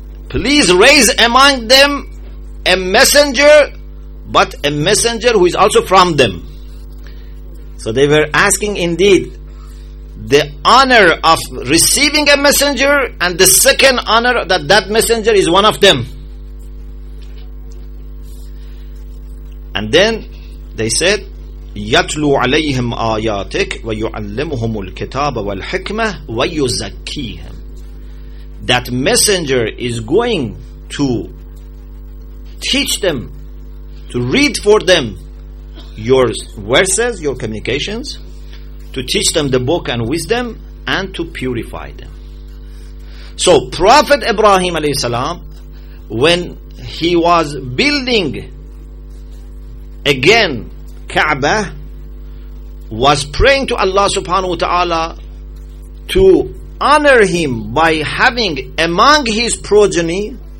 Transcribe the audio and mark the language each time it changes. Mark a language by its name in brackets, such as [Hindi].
[English] Please raise among them a messenger, but a messenger who is also from them. So they were asking indeed the honor of receiving a messenger, and the second honor that that messenger is one of them. And then they said, [Arabic] يَتْلُوا عَلَيْهِمْ آيَاتِكَ وَيُعَلِّمُهُمُ الْكِتَابَ وَالْحِكْمَةَ وَيُزَكِّيهِمْ. [English] That messenger is going to teach them, to read for them your verses, your communications, to teach them the book and wisdom, and to purify them. So Prophet Ibrahim alayhi salam, when he was building again Kaaba, was praying to Allah subhanahu wa ta'ala to honor him by having among his progeny